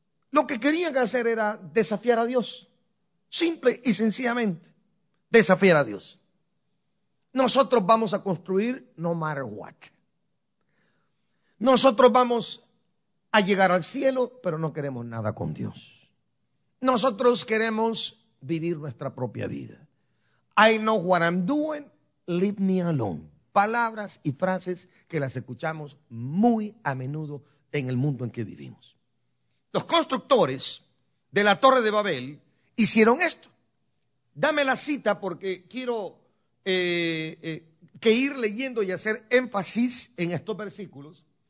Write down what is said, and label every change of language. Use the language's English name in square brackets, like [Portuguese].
[Spanish] Lo que querían hacer era desafiar a Dios. Simple y sencillamente, desafiar a Dios. Nosotros vamos a construir [English] no matter what. [Spanish] Nosotros vamos a llegar al cielo, pero no queremos nada con Dios. Nosotros queremos vivir nuestra propia vida. [English] I know what I'm doing, leave me alone. [Spanish] Palabras y frases que las escuchamos muy a menudo en el mundo en que vivimos. Los constructores de la Torre de Babel hicieron esto. Dame la cita porque quiero que ir leyendo y hacer énfasis en estos versículos.